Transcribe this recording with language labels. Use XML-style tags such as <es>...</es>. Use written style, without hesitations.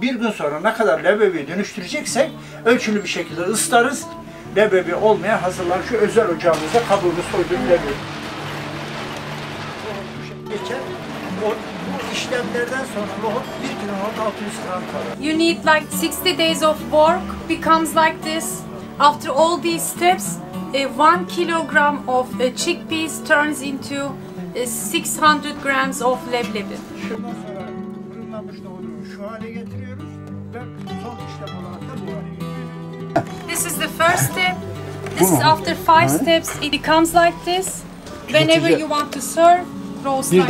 <tr>Bir gün sonra ne kadar leblebi dönüştüreceksek ölçülü bir şekilde ıslarız. Leblebi olmaya hazırlar. Şu özel ocağımızda kabuğunu soydum leblebi. Geçen o işlemlerden sonra nohut 1 kilo 600 gram kadar.</tr> <en>You need like 60 days of work becomes like this. After all these steps, 1 kilogram of chickpeas turns into 600 grams of leblebi.</en> <tr>Şundan sonra fırınlamış nohutu şu hale getiriyoruz. Ve son işlem olarak da bu hale getiriyoruz.</tr> <en>This is the first step. This is after 5 steps it becomes like this. Whenever you want to serve, roast like this.</en>